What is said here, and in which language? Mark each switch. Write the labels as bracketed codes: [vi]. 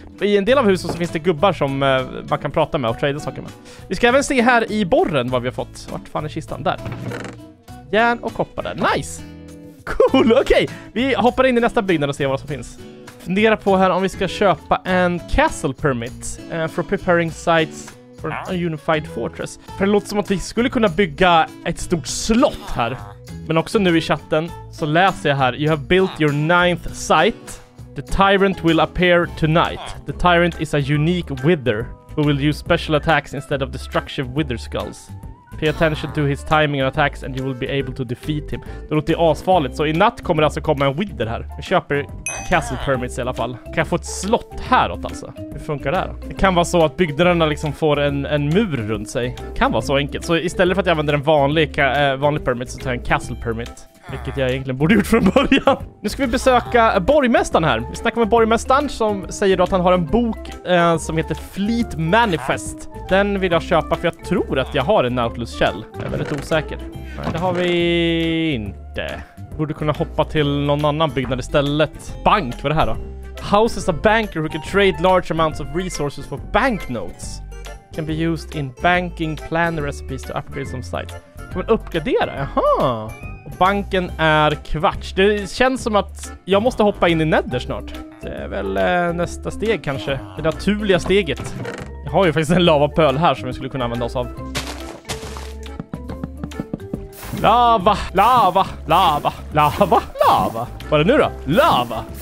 [sv] I en del av huset så finns det gubbar som man kan prata med och trada saker med. Vi ska även se här i borren vad vi har fått. Vart fan är kistan? Där. Järn och koppar där. Nice! Cool, okej! Vi hoppar in i nästa byggnad och ser vad som finns. Fundera på här om vi ska köpa en castle permit. [en] For preparing sites for a unified fortress. [sv] För det låter som att vi skulle kunna bygga ett stort slott här. Men också nu i chatten så läser jag här. [en] You have built your ninth site. The tyrant will appear tonight. The tyrant is a unique wither. Who will use special attacks instead of destructive wither skulls. Pay attention to his timing and attacks and you will be able to defeat him. [sv] Det låter ju asfarligt. Så i natt kommer det alltså komma en Wither här. Jag köper castle permits i alla fall. Kan jag få ett slott häråt alltså? Hur funkar det här? Det kan vara så att byggnaderna liksom får en mur runt sig. Kan vara så enkelt. Så istället för att jag använder en vanlig permit så tar jag en castle permit. Vilket jag egentligen borde gjort från början. Nu ska vi besöka borgmästaren här. Vi snackar med borgmästaren som säger då att han har en bok som heter Fleet Manifest. Den vill jag köpa för jag tror att jag har en Nautilus Shell. Jag är väldigt osäker. Men det har vi inte. Borde kunna hoppa till någon annan byggnad istället. Bank, vad är det här då? [en] House is a banker who can trade large amounts of resources for banknotes. Can be used in banking plan recipes to upgrade some site. [sv] Kan man uppgradera? Jaha. Banken är kvarts. Det känns som att jag måste hoppa in i Nether snart. Det är väl nästa steg kanske. Det naturliga steget. Jag har ju faktiskt en lavapöl här som vi skulle kunna använda oss av. Lava, lava, lava, lava, lava. Vad är det nu då? Lava.